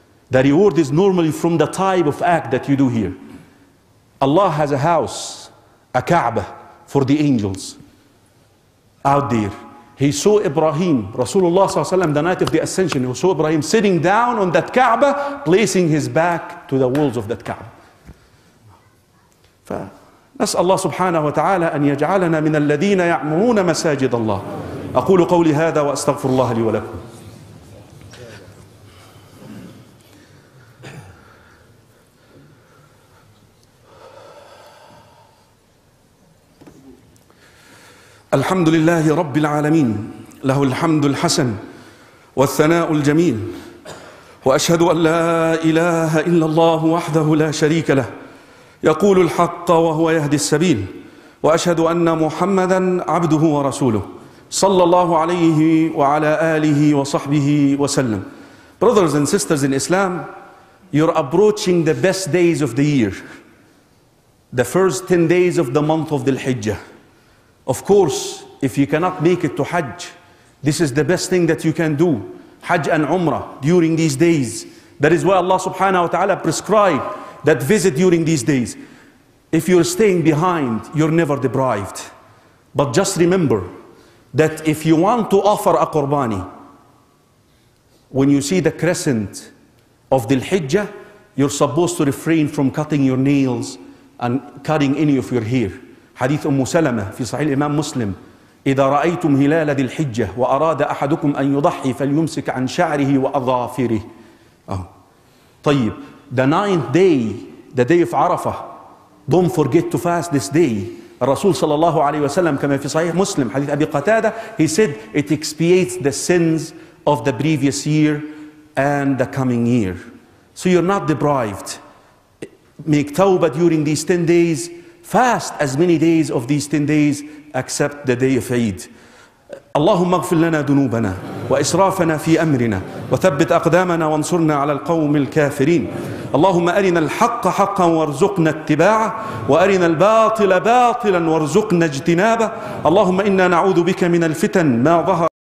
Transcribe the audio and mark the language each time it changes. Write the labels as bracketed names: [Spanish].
[English] The reward is normally from the type of act that you do here. Allah has a house, a Kaaba, for the angels out there. He saw Ibrahim, Rasulullah صلى الله عليه وسلم, the night of the ascension, he saw Ibrahim sitting down on that Kaaba, placing his back to the walls of that Kaaba. [Arabic] فنسأل الله سبحانه وتعالى أن يجعلنا من الذين يعمرون مساجد الله. أقول قولي هذا وأستغفر الله لي ولكم. الحمد لله رب العالمين له الحمد الحسن والثناء الجميل وأشهد أن لا إله إلا الله وحده لا شريك له يقول الحق وهو يهدي السبيل وأشهد أن محمدا عبده ورسوله صلى الله عليه وعلى آله وصحبه وسلم. [English] Brothers and sisters in Islam, you're approaching the best days of the year, the first 10 days of the month of the Hijjah. Of course, if you cannot make it to Hajj, this is the best thing that you can do, Hajj and Umrah during these days. That is why Allah subhanahu wa ta'ala prescribed that visit during these days. If you're staying behind, you're never deprived. But just remember that if you want to offer a qurbani, when you see the crescent of the Hijjah, you're supposed to refrain from cutting your nails and cutting any of your hair. [Arabic] حديث أم سلمة في صحيح الإمام مسلم إذا رأيتم هلال ذي الحجة وأراد أحدكم أن يضحي فليمسك عن شعره وأظافره. [English] طيب, the ninth day, the day of Arafah, don't forget to fast this day. [Arabic] الرسول صلى الله عليه وسلم كما في صحيح مسلم حديث أبي قتادة, [English] he said it expiates the sins of the previous year and the coming year. So you're not deprived. Make tawbah during these 10 days. Fast as many days of these 10 days except the day of Eid. [Arabic] اللهم اغفر لنا ذنوبنا وإسرافنا في أمرنا وثبت أقدامنا وانصرنا على القوم الكافرين. اللهم أرنا الحق حقا وارزقنا اتباعه وأرنا الباطل باطلا وارزقنا اجتنابه. اللهم إنا نعوذ بك من الفتن ما ظهر.